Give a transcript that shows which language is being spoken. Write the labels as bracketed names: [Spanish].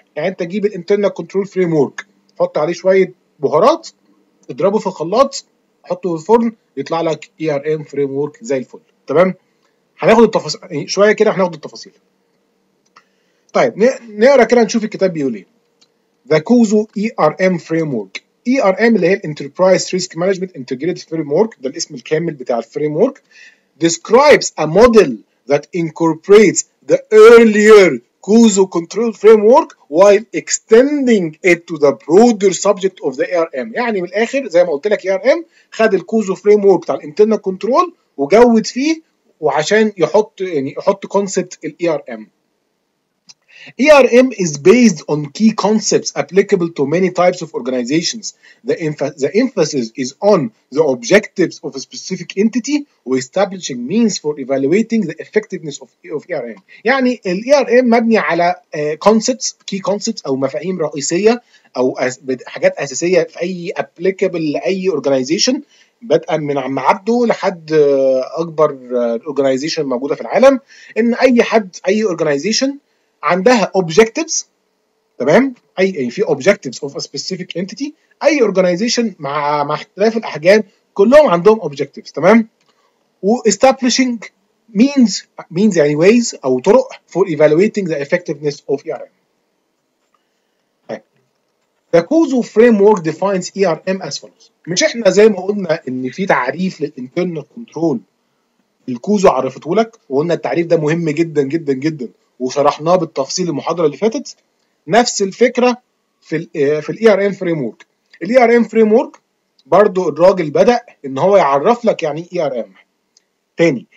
[Arabic] يعني انت تجيب الانترنال كنترول فريم ورك، حط عليه شويه بهارات، اضربه في الخلاط، حطه في الفرن، يطلع لك اي ار ام فريم ورك زي الفل. تمام، هناخد التفاصيل شويه كده، هناخد التفاصيل. طيب نقرا كده نشوف الكتاب بيقول ايه. [English] The Kuzu ERM Framework. [Arabic] ERM اللي هي Enterprise Risk Management Integrated Framework، ده الاسم الكامل بتاع الفريمورك. [English] Describes a model that incorporates the earlier Kuzu Control Framework while extending it to the broader subject of the ERM. [Arabic] يعني من الآخر زي ما قلت لك ERM خد الكوزو فريمورك بتاع الانترنال كنترول وجود فيه، وعشان يحط يعني يحط concept الـ ERM. [English] ERM is based on key concepts applicable to many types of organizations. The emphasis is on the objectives of a specific entity or establishing means for evaluating the effectiveness of ERM. [Arabic] يعني الـ ERM مبني على [English] concepts, key concepts [Arabic] أو مفاهيم رئيسية أو حاجات أساسية في أي applicable لأي organization، بدءا من عم عبده لحد أكبر organization موجودة في العالم. إن أي حد أي organization عندها objectives، تمام، اي في [English] objectives of a specific entity، [Arabic] اي organization مع اختلاف الاحجام كلهم عندهم objectives، تمام، و [English] establishing means [Arabic] يعني ways او طرق [English] for evaluating the effectiveness of ERM. The Kuzu framework defines ERM as follows. [Arabic] مش احنا زي ما قلنا ان في تعريف للinternal control الكوزو عرفته لك، وقلنا التعريف ده مهم جدا جدا جدا وشرحناه بالتفصيل المحاضره اللي فاتت. نفس الفكره في الاي ار ام فريم ورك. الاي ار ام فريم ورك برده الراجل بدا ان هو يعرف لك يعني ايه اي ار ام تاني.